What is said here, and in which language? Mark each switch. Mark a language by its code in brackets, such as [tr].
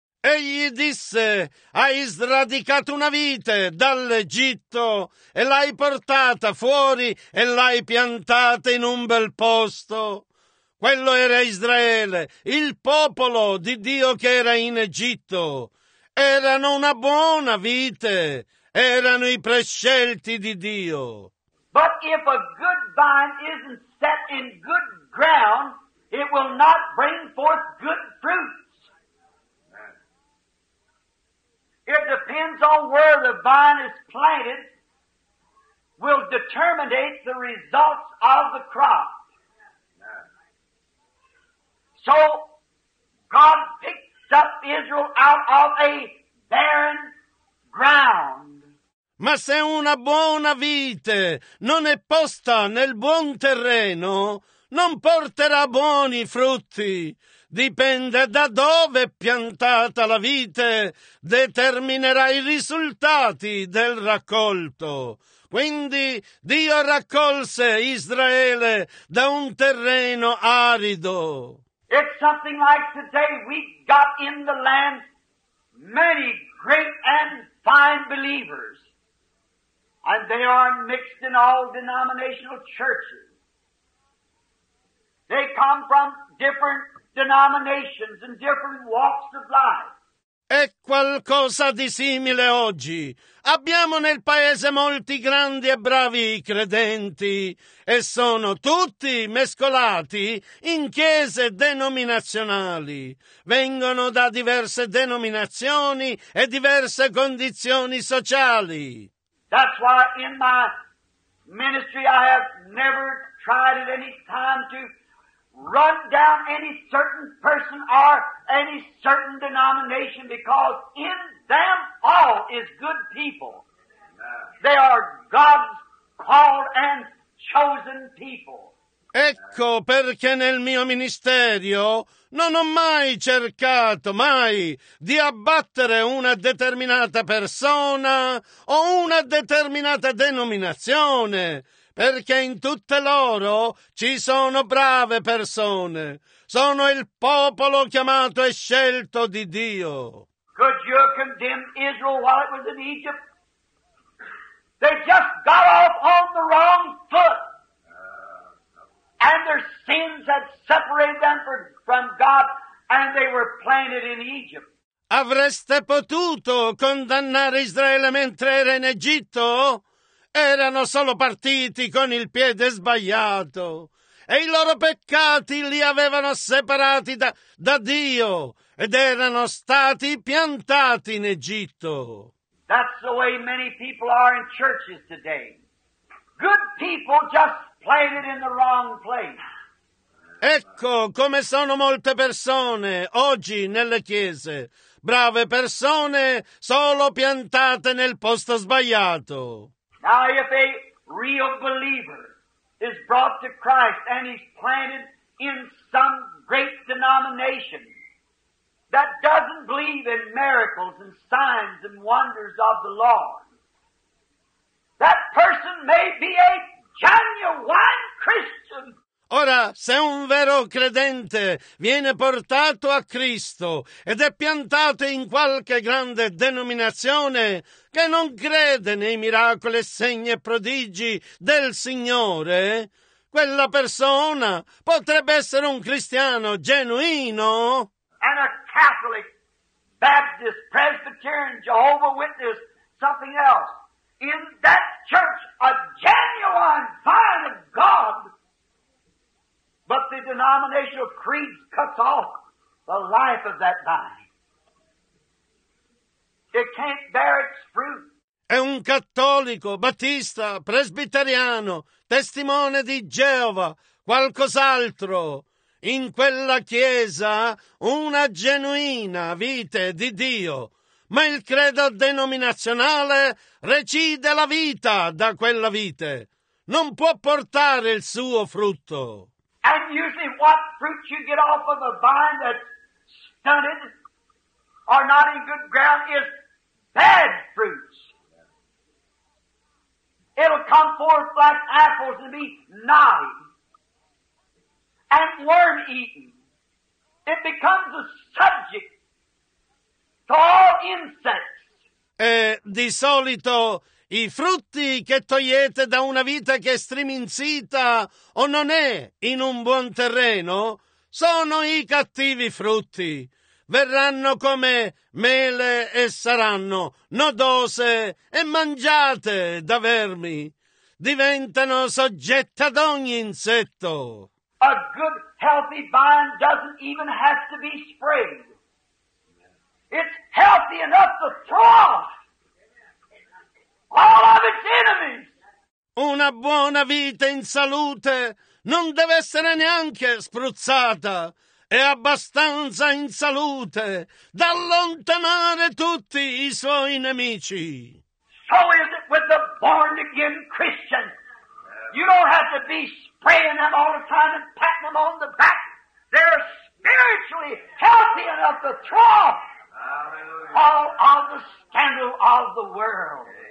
[it] Egli disse, hai sradicato una vite dall'Egitto e l'hai portata fuori e l'hai piantata in un bel posto. Quello era Israele, il popolo di Dio che era in Egitto. Erano una buona vite, erano i prescelti di Dio. [en] But if a good vine isn't set in good ground, it will not bring forth good fruit. It depends on where the vine is planted will determine the results of the crop. So God picked up Israel out of a barren ground. [it] Ma se una buona vite non è posta nel buon terreno, non porterà buoni frutti. Dipende da dove è piantata la vite, determinerà i risultati del raccolto. Quindi Dio raccolse Israele da un terreno arido. [en] It's something like today we got in the land many great and fine believers, and they are mixed in all denominational churches. They come from different denominations and different walks of life. [it] È qualcosa di simile oggi. Abbiamo nel paese molti grandi e bravi credenti e sono tutti mescolati in chiese denominazionali. Vengono da diverse denominazioni e diverse condizioni sociali. [en] That's why in my ministry I have never tried at any time to run down any certain person or any certain denomination, because in them all is good people. They are God's called and chosen people. [it] Ecco perché nel mio ministerio non ho mai cercato mai di abbattere una determinata persona o una determinata denominazione. Perché in tutte loro ci sono brave persone. Sono il popolo chiamato e scelto di Dio. [en] Could you condemn Israel while it was in Egypt? They just got off on the wrong foot. And their sins had separated them from God, and they were planted in Egypt. [it] Avreste potuto condannare Israele mentre era in Egitto? Erano solo partiti con il piede sbagliato e i loro peccati li avevano separati da Dio ed erano stati piantati in Egitto. [en] That's the way many people are in churches today. Good people just planted in the wrong place. [it] Ecco come sono molte persone oggi nelle chiese. Brave persone solo piantate nel posto sbagliato. [en] Now, if a real believer is brought to Christ and he's planted in some great denomination that doesn't believe in miracles and signs and wonders of the Lord, that person may be a genuine Christian. [it] Ora, se un vero credente viene portato a Cristo ed è piantato in qualche grande denominazione che non crede nei miracoli, segni e prodigi del Signore, quella persona potrebbe essere un cristiano genuino. [en] And a Catholic, Baptist, Presbyterian, Jehovah's Witness, something else. In that church, a genuine sign of God. But the denominational creed cuts off the life of that vine. It can't bear its fruit. [it] È un cattolico, battista, presbiteriano, testimone di Geova, qualcos'altro. In quella chiesa una genuina vite di Dio. Ma il credo denominazionale recide la vita da quella vite. Non può portare il suo frutto. [en] And usually what fruit you get off of a vine that's stunted or not in good ground is bad fruits. It'll come forth like apples and be knotty and worm-eaten. It becomes a subject to all insects. [it] Di solito i frutti che togliete da una vita che è striminzita o non è in un buon terreno sono i cattivi frutti. Verranno come mele e saranno nodose e mangiate da vermi. Diventano soggette ad ogni insetto. [en] A good healthy vine doesn't even have to be sprayed. It's healthy enough to throw. All of its enemies. [it] Una buona vita in salute non deve essere neanche spruzzata. È abbastanza in salute da allontanare tutti i suoi nemici. [en] So is it with the born again Christian. You don't have to be spraying them all the time and patting them on the back. They're spiritually healthy enough to throw off all of the scandal of the world.